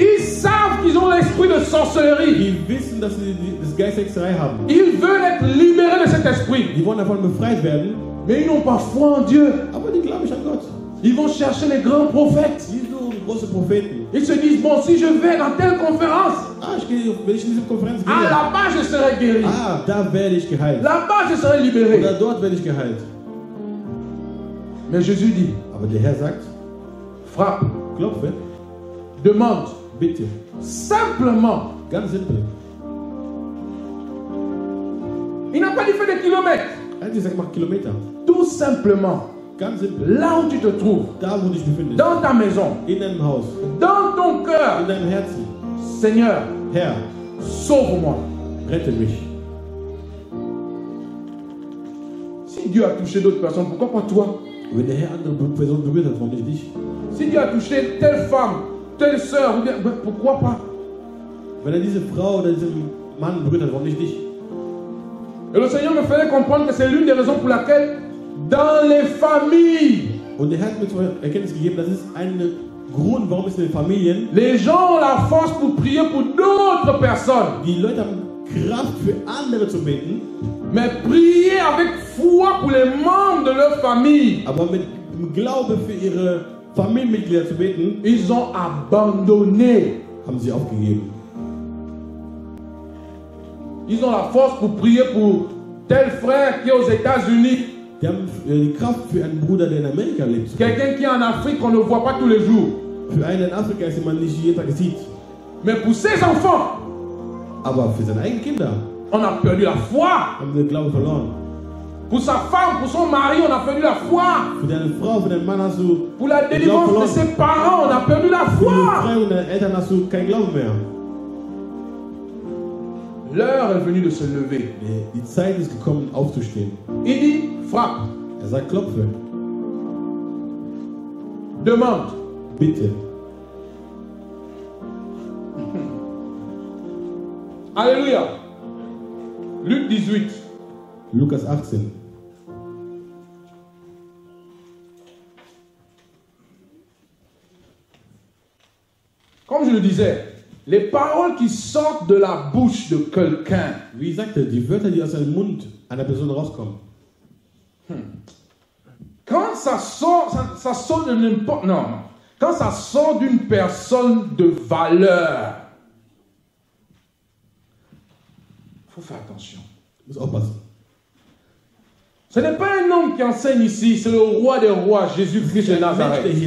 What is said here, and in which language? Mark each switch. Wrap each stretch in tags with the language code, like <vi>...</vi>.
<fr>Ils savent qu'ils ont l'esprit de sorcellerie.</fr> <de>Die wissen, dass sie das Geist Hexerei haben.</de> <fr>Ils veulent être libérés de cet esprit.</fr> <de>Die wollen davon befreit werden.</de> <fr>Mais ils n'ont pas foi en Dieu.</fr> <de>Aber die glauben nicht an Gott.</de> <fr>Ils vont chercher les grands prophètes. Ils sont les grands prophètes. Ils se disent, bon, si je vais dans telle conférence,</fr> <de>ah, wenn ich in dieser Konferenz gehe,</de> <fr>ah, là-bas je serai guéri.</fr> <de>Ah, da werde ich geheilt.</de> <fr>Là-bas je serai libéré.</fr> <de>Oder dort werde ich geheilt.</de> <fr>Mais Jésus dit,</fr> <de>aber der Herr sagt,</de> <fr>frappe,</fr> <de>klopfe,</de> <fr>demande,</fr> <de>bitte,</de> <fr>simplement,</fr> <de>ganz simple.</de> <fr>Il n'a pas dit faire des kilomètres.</fr> <de>Er hat gesagt, mach Kilometer.</de> <fr>Tout simplement,</fr> <de>ganz simple.</de> <fr>Là où tu te trouves,</fr> <de>da wo du dich befindest,</de> <fr>dans ta maison,</fr> <de>in deinem Haus,</de> <fr>dans ton cœur,</fr> <de>in deinem Herzen,</de> <fr>Seigneur,</fr> <de>Herr,</de> <fr>sauve-moi,</fr> <de>rette mich.</de> <fr>Si Dieu a touché d'autres personnes, pourquoi pas toi?</fr> <de>Wenn der Herr andere Personen berührt hat, warum nicht dich?</de> <fr>Si Dieu a touché telle femme, telle sœur, pourquoi pas?</fr> <de>Wenn er diese Frau oder diesen Mann berührt hat, warum nicht dich?</de> <fr>Et le Seigneur me faisait comprendre que c'est l'une des raisons pour laquelle dans les familles.</fr> <de>Und der Herr hat mir zur Erkenntnis gegeben, das ist ein Grund, warum es in den Familien.</de> <fr>Les gens ont la force pour prier pour d'autres personnes.</fr> <de>Die Leute haben Kraft für andere zu beten.</de> <fr>Mais prier avec foi pour les membres de leur famille.</fr> <de>Aber mit Glaube für ihre Familienmitglieder zu beten.</de> <fr>Ils ont abandonné.</fr> <de>Haben sie aufgegeben.</de> <fr>Ils ont la force pour prier pour tel frère qui est aux États-Unis.</fr> <de>Die haben die Kraft für einen Bruder, der in Amerika lebt.</de> <fr>Quelqu'un qui est en Afrique, on ne voit pas tous les jours.</fr> <de>Für einen in Afrika, den man nicht jeden Tag sieht.</de> <fr>Mais pour ses enfants.</fr> <de>Aber für seine eigenen Kinder.</de> <fr>On a perdu la foi.</fr> <de>Haben wir den Glauben verloren.</de> <fr>Pour sa femme, pour son mari, on a perdu la foi.</fr> <de>Für deine Frau, für deinen Mann hast du.</de> <fr>Pour la délivrance de ses parents, on a perdu la foi.</fr> <de>Für deine Frau und deine Eltern hast du keinen Glauben mehr.</de> <fr>L'heure est venue de se lever.</fr> <de>Die Zeit ist gekommen, aufzustehen.</de> <fr>Il dit, frappe.</fr> <de>Er sagt, klopfe.</de> <fr>Demande.</fr> <de>Bitte.</de> <fr>Alléluia. Luc 18.</fr> <de>Lukas 18.</de> <fr>Comme je le disais, les paroles qui sortent de la bouche de quelqu'un.</fr> <de>Wie gesagt, die Wörter, die aus dem Mund einer Person rauskommen.</de> <fr>Quand ça sort, ça sort de n'importe. Non. Quand ça sort d'une personne de valeur. Faut faire attention. Ce n'est pas un homme qui enseigne ici, c'est le roi des rois, Jésus-Christ de Nazareth.</fr>